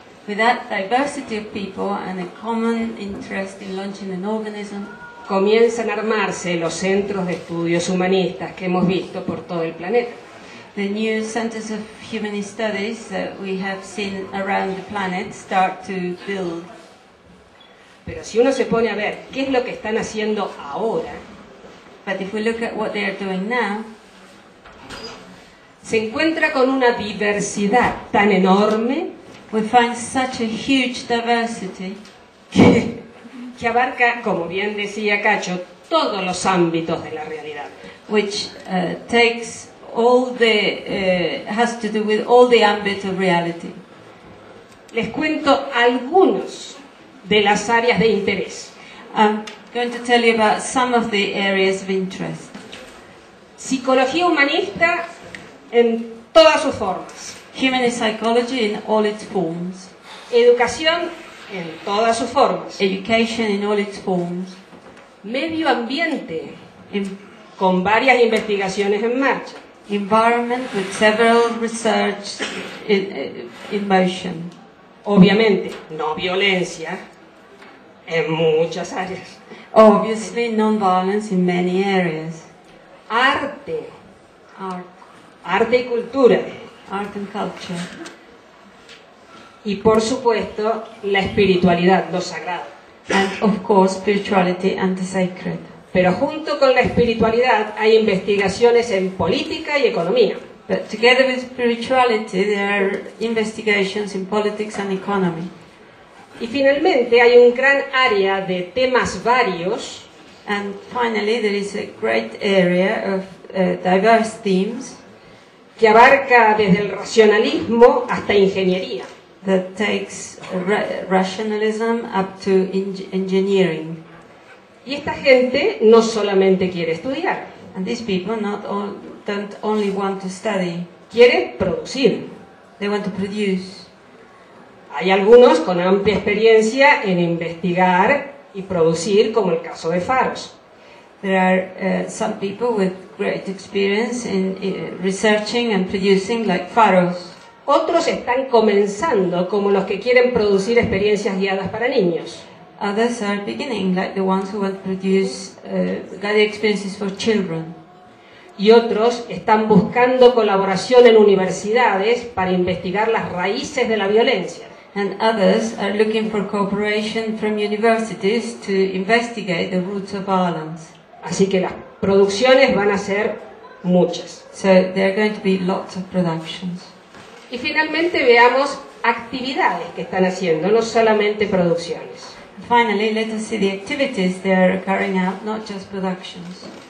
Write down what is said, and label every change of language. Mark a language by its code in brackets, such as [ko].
[en] with that diversity of people and a common interest in launching an organism, [es] comienzan a armarse los centros de estudios humanistas que hemos visto por todo el planeta. [en] The new centers of humanist studies that we have seen around the planet start to build. [es] Pero si uno se pone a ver qué es lo que están haciendo ahora, [en] but if we look at what they are doing now, [es] se encuentra con una diversidad tan enorme, [en] We find such a huge diversity. [es] Que abarca, como bien decía Cacho, todos los ámbitos de la realidad. [en] Which takes all the has to do with all the ambits of reality. [es] Les cuento algunos de las áreas de interés. [en] I'm going to tell you about some of the areas of interest. [es] Psicología humanista en todas sus formas. [en] Human psychology in all its forms. [es] Educación en todas sus formas. [en] Education in all its forms. [es] Medio ambiente con varias investigaciones en marcha. [en] Environment with several research in motion. [es] Obviamente, no violencia en muchas áreas. [en] Obviously, non-violence in many areas. [es] Arte. [en] Art. [es] Arte y cultura. [en] Art and culture. [es] Y por supuesto, la espiritualidad, lo sagrado. [en] And of course, spirituality and the sacred. [es] Pero junto con la espiritualidad hay investigaciones en política y economía. [en] But together with spirituality, there are investigations in politics and economy. [es] Y finalmente hay un gran área de temas varios. [en] And finally, there is a great area of diverse themes [es] que abarca desde el racionalismo hasta ingeniería. [en] That takes rationalism up to engineering. [es] Y esta gente no solamente quiere estudiar. [en] And these people not all. Don't only want to study. [es] Quiere producir. [en] They want to produce. [es] Hay algunos con amplia experiencia en investigar y producir, como el caso de Faros. [en] There are some people with great experience in researching and producing, like Faros. [es] Otros están comenzando, como los que quieren producir experiencias guiadas para niños. [en] Others are beginning, like the ones who want to produce guided experiences for children. [es] Y otros están buscando colaboración en universidades para investigar las raíces de la violencia. [en] And others are looking for cooperation from universities to investigate the roots of violence. [es] Así que las producciones van a ser muchas. [en] So there are going to be lots of productions. [es] Y finalmente veamos actividades que están haciendo, no solamente producciones. [en] Finally, let us see the activities they are carrying out, not just productions.